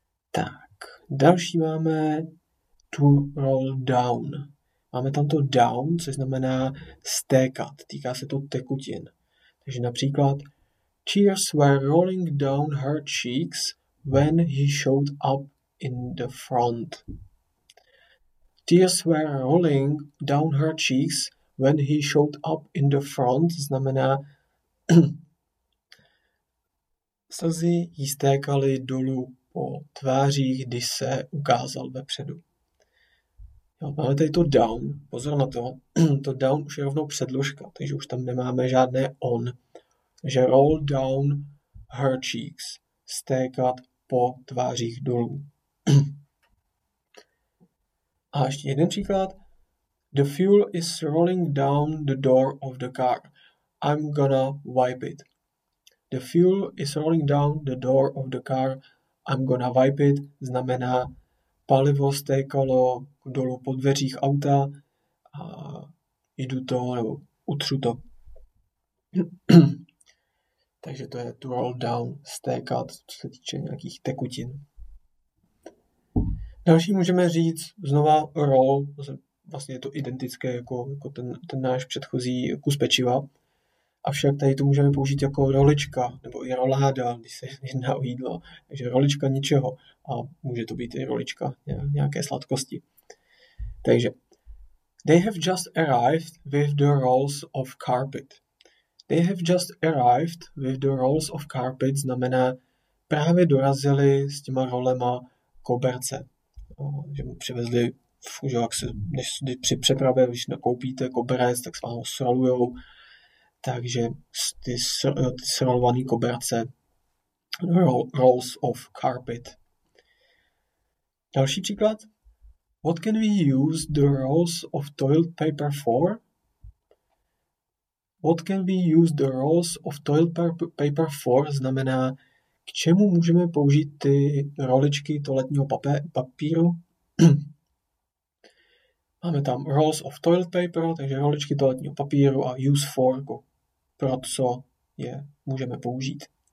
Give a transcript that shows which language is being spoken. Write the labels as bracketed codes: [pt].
[cs] Tak, další máme to roll down. Máme tam to down, což znamená stékat, týká se to tekutin. Takže například, [en] tears were rolling down her cheeks when he showed up in the front. Tears were rolling down her cheeks when he showed up in the front, [cs] znamená slzy jí stékaly dolů po tvářích, když se ukázal vepředu. Jo, máme tady to down, pozor na to, to down už je rovnou předložka, takže už tam nemáme žádné on. Že [en] roll down her cheeks, [cs] stékat po tvářích dolů. A ještě jeden příklad. [en] The fuel is rolling down the door of the car. I'm gonna wipe it. The fuel is rolling down the door of the car. I'm gonna wipe it. [cs] Znamená, palivo stékalo dolů po dveřích auta. A jdu to, nebo utřu to. Takže to je to roll down, stékat, co se týče nějakých tekutin. Další můžeme říct znova roll, vlastně je to identické jako ten náš předchozí kus pečiva. Avšak tady to můžeme použít jako rolička, nebo i roláda, když se jedná o jídlo. Takže rolička ničeho a může to být i rolička nějaké sladkosti. [en] Takže, they have just arrived with the rolls of carpet. They have just arrived with the rolls of carpet, [cs] znamená právě dorazili s těma rolema koberce. Že mu přivezli, že jak se, než při přepravě, když nakoupíte koberec, tak s vámi srolujou. Takže ty srolované koberce, rolls of carpet. Další příklad. [en] What can we use the rolls of toilet paper for? What can we use the rolls of toilet paper for? [cs] Znamená, k čemu můžeme použít ty roličky toaletního papíru? Máme tam rolls of toilet paper, takže roličky toaletního papíru a use for, pro co je můžeme použít.